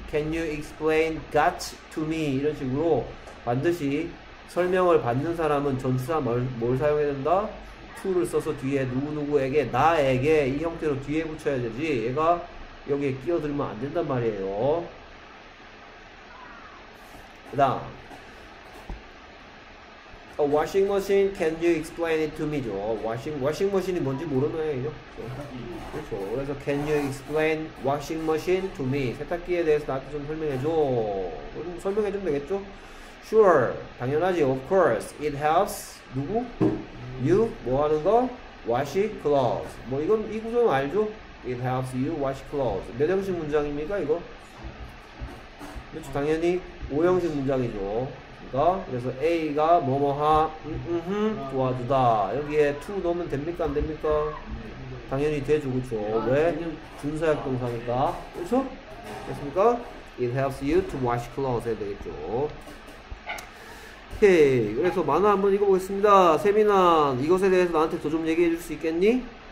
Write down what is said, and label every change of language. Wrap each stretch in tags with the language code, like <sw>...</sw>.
<en>Can you explain got to me?</en> <ko>이런 식으로 반드시 설명을 받는 사람은 전치사 뭘 사용해야 된다? to를 써서 뒤에 누구누구에게, 나에게 이 형태로 뒤에 붙여야 되지. 얘가 여기에 끼어들면 안 된단 말이에요.</ko> <en>그다음 A washing machine, can you explain it to me?</en> <ko>죠. washing machine이 뭔지 모르는 애예요. 그렇죠.</ko> <en>그래서 can you explain washing machine to me?</en> <ko>세탁기에 대해서 나한테 좀 설명해 줘. 그럼 설명해 주면 되겠죠?</ko> <en>Sure,</en> <ko>당연하지.</ko> <en>Of course, it helps 누구?</en> <ko>You 뭐 하는 거?</ko> <en>Wash clothes.</en> <ko>뭐 이건 이 구조는 알죠?</ko> <en>It helps you wash clothes.</en> <ko>몇 형식 문장입니까, 이거? 그렇죠. 당연히 5형식 문장이죠. 그래서 A가 뭐뭐하 도와주다. 여기에 to 넣으면 됩니까 안 됩니까? 당연히 되죠. 그쵸? 왜? 준사역 동사니까. 그쵸? 됐습니까?</ko> <en>It helps you to wash clothes</en> <ko>해야 되겠죠. 오케이. 그래서 만화 한번 읽어보겠습니다. 세미나, 이것에 대해서 나한테 더좀 얘기해 줄수 있겠니?</ko>